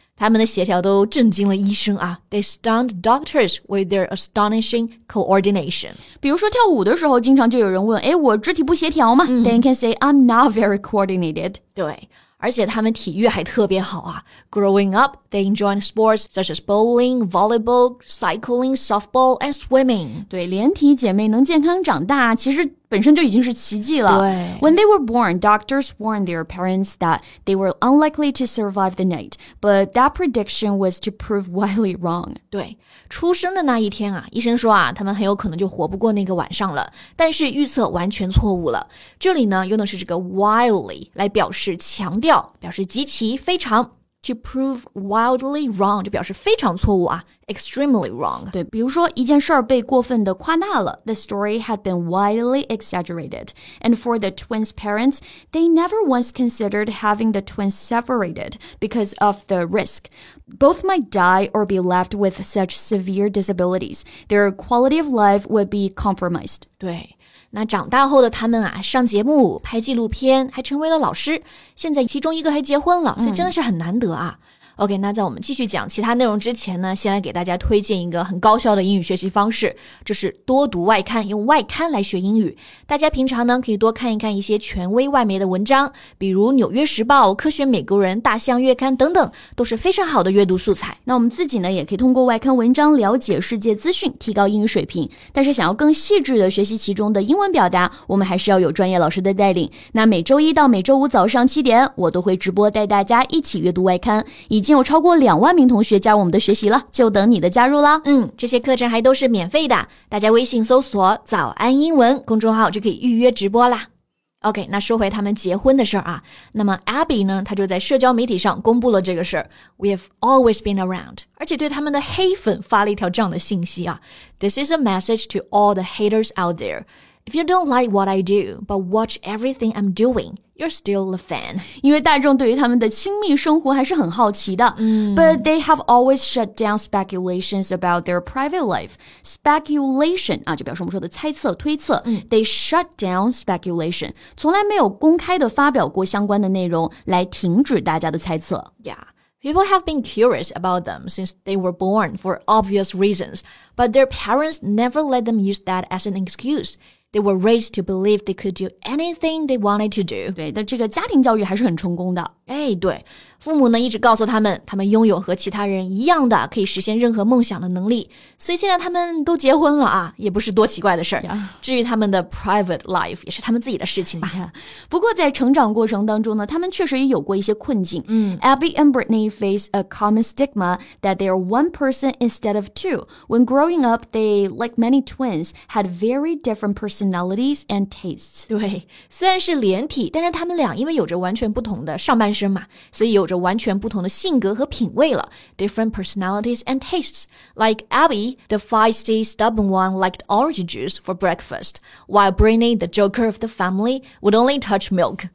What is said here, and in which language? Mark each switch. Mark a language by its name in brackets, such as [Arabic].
[Chinese] 他们的协调都震惊了医生啊 ！ [English] They stunned doctors with their astonishing coordination. [Chinese] 比如说跳舞的时候，经常就有人问：“哎，我肢体不协调吗？” [English] Then you can say I'm not very coordinated. [Chinese] 对。而且他们体育还特别好啊。 [English] Growing up, they enjoyed sports such as bowling, volleyball, cycling, softball, and swimming. [Chinese] 对，连体姐妹能健康长大，其实本身就已经是奇迹了。对。 [English] When they were born, doctors warned their parents that they were unlikely to survive the night, but that prediction was to prove wildly wrong. [Chinese] 对，出生的那一天啊，医生说啊，他们很有可能就活不过那个晚上了，但是预测完全错误了。这里呢，用的是这个 wildly 来表示强调，表示极其非常。 [English] To prove wildly wrong [Chinese] 就表示非常错误啊 [English] extremely wrong. [Chinese] 对，比如说一件事儿被过分的夸大了 [English] The story had been wildly exaggerated. And for the twins' parents, they never once considered having the twins separated because of the risk. Both might die or be left with such severe disabilities. Their quality of life would be compromised. [Chinese] 对。那长大后的他们啊，上节目、拍纪录片，还成为了老师。现在其中一个还结婚了，所以真的是很难得啊。OK, 那在我们继续讲其他内容之前呢，先来给大家推荐一个很高效的英语学习方式，就是多读外刊，用外刊来学英语。大家平常呢，可以多看一看一些权威外媒的文章，比如《纽约时报》、《科学美国人》、《大西洋月刊》等等，都是非常好的阅读素材。那我们自己呢，也可以通过外刊文章了解世界资讯，提高英语水平。但是想要更细致的学习其中的英文表达，我们还是要有专业老师的带领。那每周一到每周五早上七点，我都会直播带大家一起阅读外刊，已经有超过20,000同学加入我们的学习了，就等你的加入啦。这些课程还都是免费的，大家微信搜索早安英文公众号就可以预约直播啦。 OK, 那说回他们结婚的事儿啊。那么 Abby 呢，他就在社交媒体上公布了这个事儿。 [English] We have always been around. [Chinese] 而且对他们的黑粉发了一条这样的信息啊。 [English] This is a message to all the haters out there. If you don't like what I do, but watch everything I'm doing, you're still a fan. [Chinese] 因为大众对于他们的亲密生活还是很好奇的。 Mm. [English] But they have always shut down speculations about their private life. [Chinese] Speculation, 啊，就表示我们说的猜测、推测。 Mm. [English] They shut down speculation. [Chinese] 从来没有公开的发表过相关的内容来停止大家的猜测。 [English] Yeah. People have been curious about them since they were born for obvious reasons, but their parents never let them use that as an excuse. They were raised to believe they could do anything they wanted to do. [Chinese] 对，但这个家庭教育还是很成功的。哎，对，父母呢一直告诉他们，他们拥有和其他人一样的可以实现任何梦想的能力。所以现在他们都结婚了啊，也不是多奇怪的事儿。 [English] Yeah. [Chinese] 至于他们的 private life, 也是他们自己的事情吧。 [English] Yeah. [Chinese] 不过在成长过程当中呢，他们确实也有过一些困境。嗯、 [English] Abby and Brittany face a common stigma that they are one person instead of two. When growing up, they, like many twins, had very different personalities and tastes. [Chinese] 对，虽然是连体，但是他们俩因为有着完全不同的上半身。所以有着完全不同的性格和品味了 [English] Different personalities and tastes. Like Abby, the feisty, stubborn one liked orange juice for breakfast, while Brittany, the joker of the family, would only touch milk.